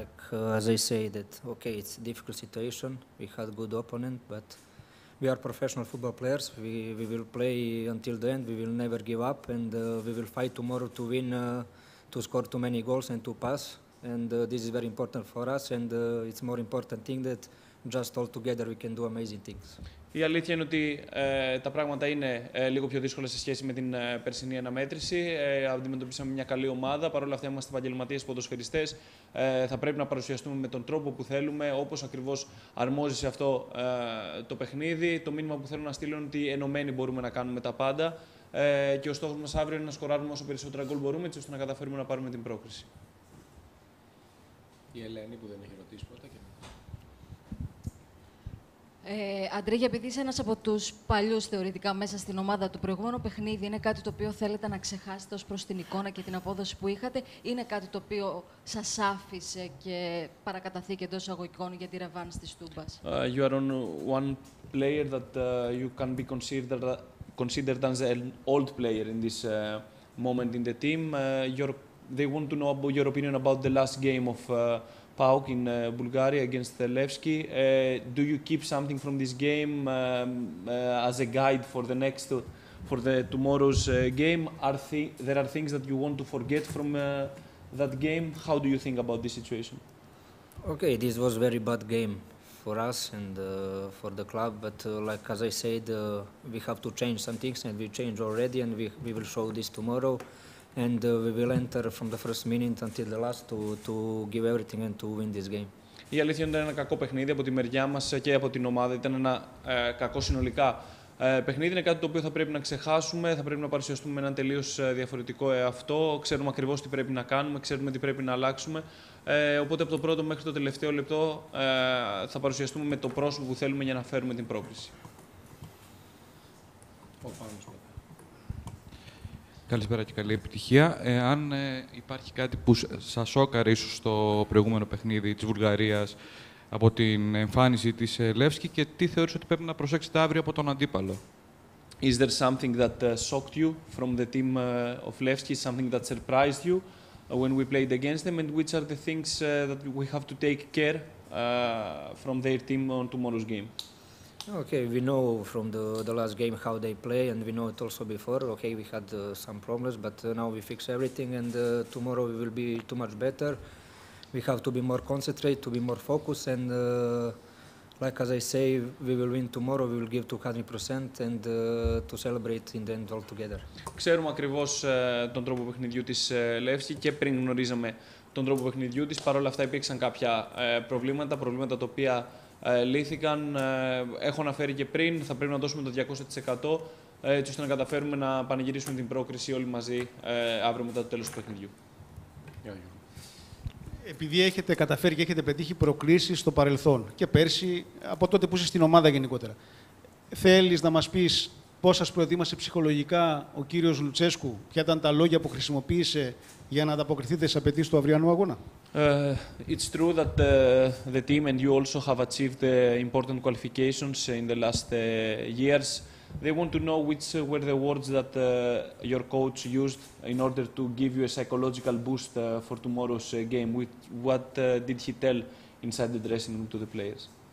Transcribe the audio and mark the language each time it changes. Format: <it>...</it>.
<en>As I say, that okay, it's a difficult situation. We had a good opponent, but we are professional football players. We will play until the end. We will never give up, and we will fight tomorrow to win, to score too many goals and to pass. And this is very important for us, and it's more important thing that just all together we can do amazing things.</en> <el>Η αλήθεια είναι ότι τα πράγματα είναι λίγο πιο δύσκολα σε σχέση με την περσινή αναμέτρηση. Αντιμετωπίσαμε μια καλή ομάδα. Παρ' όλα αυτά, είμαστε επαγγελματίες ποδοσφαιριστές. Θα πρέπει να παρουσιαστούμε με τον τρόπο που θέλουμε, όπως ακριβώς αρμόζει σε αυτό το παιχνίδι. Το μήνυμα που θέλω να στείλω είναι ότι ενωμένοι μπορούμε να κάνουμε τα πάντα. Και ο στόχος μας αύριο είναι να σκοράρουμε όσο περισσότερα γκολ μπορούμε, έτσι ώστε να καταφέρουμε να πάρουμε την πρόκριση. Η Ελένη που δεν έχει ρωτήσει ποτέ. Αντρίγια, επειδή είσαι ένας από τους παλιούς θεωρητικά μέσα στην ομάδα, το προηγούμενο παιχνίδι είναι κάτι το οποίο θέλετε να ξεχάσετε ως προς την εικόνα και την απόδοση που είχατε, είναι κάτι το οποίο σας άφησε και παρακαταθήκε εντός αγωγικών για τη ρεβάνς της Τούμπας?</el> <en>You are on one player that you can be considered as an old player in this moment in the team. They want to know about your opinion about the last game of PAOK in Bulgaria against the Levski. Do you keep something from this game as a guide for the next, for the tomorrow's game? There are things that you want to forget from that game. How do you think about this situation? Okay, this was a very bad game for us and for the club. But as I said, we have to change some things, and we change already, and we will show this tomorrow. And we will enter from the first minute until the last to give everything and to win this game.</en> <el>Η αλήθεια είναι ένα κακό παιχνίδι από τη μεριά μας και από την ομάδα. Ήταν ένα κακό συνολικά παιχνίδι. Είναι κάτι το οποίο θα πρέπει να ξεχάσουμε. Θα πρέπει να παρουσιαστούμε με έναν τελείως διαφορετικό εαυτό. Ξέρουμε ακριβώς τι πρέπει να κάνουμε. Ξέρουμε τι πρέπει να αλλάξουμε. Οπότε από το πρώτο μέχρι το τελευταίο λεπτό θα παρουσιαστούμε με το πρόσωπο που θέλουμε για να φέρουμε την πρόκριση. Καλησπέρα και καλή επιτυχία. Αν υπάρχει κάτι που σας σόκαρε ίσως στο προηγούμενο παιχνίδι της Βουλγαρίας από την εμφάνιση της Λεύσκη και τι θεωρείς ότι πρέπει να προσέξετε αύριο από τον αντίπαλο?</el> <en>Is there something that shocked you from the team of Levski, something that surprised you when we played against them, and which are the things that we have to take care from their team on tomorrow's game? Okay, we know from the last game how they play, and we know it also before. Okay, we had some problems, but now we fix everything, and tomorrow we will be too much better. We have to be more concentrated, to be more focused, and like as I say, we will win tomorrow, we will give 200% and to celebrate in the end all together.</en> <el>Ξέρουμε ακριβώς τον τρόπο παιχνιδιού της Λεύσκη και πριν γνωρίζαμε τον τρόπο παιχνιδιού της. Παρ' όλα αυτά υπήρξαν κάποια προβλήματα τα οποία λύθηκαν. Έχω αναφέρει και πριν, θα πρέπει να δώσουμε το 200% έτσι ώστε να καταφέρουμε να πανηγυρίσουμε την πρόκριση όλοι μαζί αύριο μετά το τέλος του παιχνιδιού. Επειδή έχετε καταφέρει και έχετε πετύχει προκλήσεις στο παρελθόν και πέρσι, από τότε που είσαι στην ομάδα γενικότερα, θέλεις να μας πεις πώς σας προετοίμασε ψυχολογικά ο κύριος Λουτσέσκου, ποια ήταν τα λόγια που χρησιμοποίησε για να ανταποκριθείτε στις απαιτήσεις του αυριανού αγώνα?</el> <en>It's true that the team and you also have achieved important qualifications in the last years. They want to know which were the words that your coach used in order to give you a psychological boost for tomorrow's game. What did he tell inside the dressing room to the players?</en>